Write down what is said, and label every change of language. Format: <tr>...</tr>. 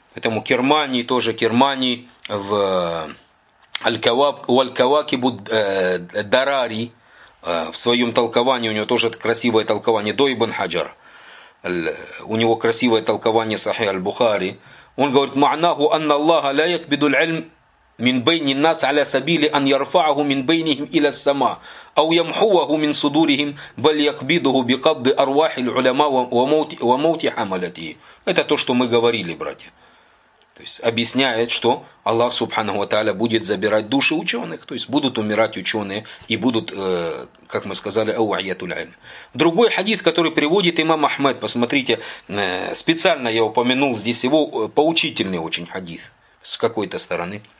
<ru>Поэтому Кирмани в Аль-Кавакибу Дарари, в своем толковании, у него тоже красивое толкование, до Ибн Хаджар, у него красивое толкование Сахи Аль-Бухари, он говорит,</ru> <ar>«Ма'наху анна Аллаха ля якбиду л'альм мин бейни нас аля сабили ан ярфа'аху мин бейнихим иля сама». أو يمحوه من صدورهم بل يقبضه بقبض أرواح العلماء وموت حملته.</ar> <ru>Это то, что мы говорили, братья. То есть объясняет, что Аллах Субхана ва Тааля будет забирать души ученых, то есть будут умирать ученые и будут, как мы сказали, ауайятуль ильм. Другой хадис, который приводит имам Ахмед, посмотрите, специально я упомянул здесь его, поучительный очень хадис с какой-то стороны.</ru>